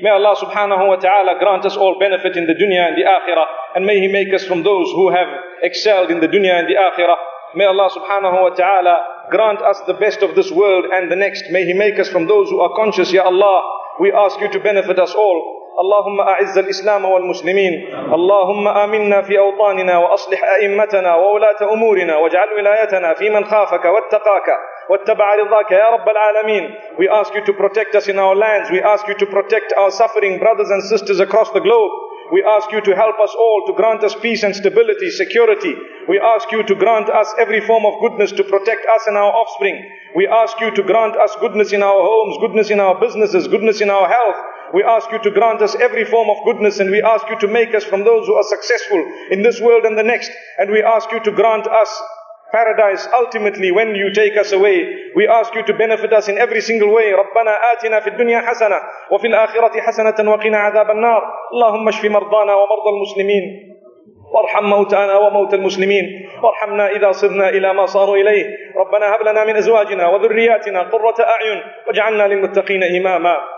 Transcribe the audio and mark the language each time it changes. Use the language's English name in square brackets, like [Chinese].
[English] May Allah subhanahu wa ta'ala grant us all benefit in the dunya and the akhirah. And may He make us from those who have excelled in the dunya and the akhirah. May Allah subhanahu wa ta'ala grant us the best of this world and the next. May He make us from those who are conscious. Ya Allah, we ask You to benefit us all. [Arabic] اللهم أعز الإسلام والمسلمين اللهم آمنا في أوطاننا وأصلح أئمتنا وولاة أمورنا واجعل ولايتنا في من خافك واتقاك واتبع رضاك يا رب العالمين. [English] We ask you to protect us in our lands. We ask you to protect our suffering brothers and sisters across the globe. We ask you to help us all, to grant us peace and stability, security. We ask you to grant us every form of goodness, to protect us and our offspring. We ask you to grant us goodness in our homes, goodness in our businesses, goodness in our health. We ask you to grant us every form of goodness, and we ask you to make us from those who are successful in this world and the next. And we ask you to grant us paradise ultimately when you take us away. We ask you to benefit us in every single way. [Arabic] ربنا آتنا في الدنيا حسنة وفي الآخرة حسنة وقنا عذاب النار. اللهم اشف مرضانا ومرضى المسلمين وارحم موتانا وموتى المسلمين وارحمنا إذا صرنا إلى ما صاروا إليه. ربنا هب لنا من أزواجنا وذرياتنا قرة أعين واجعلنا للمتقين إماما.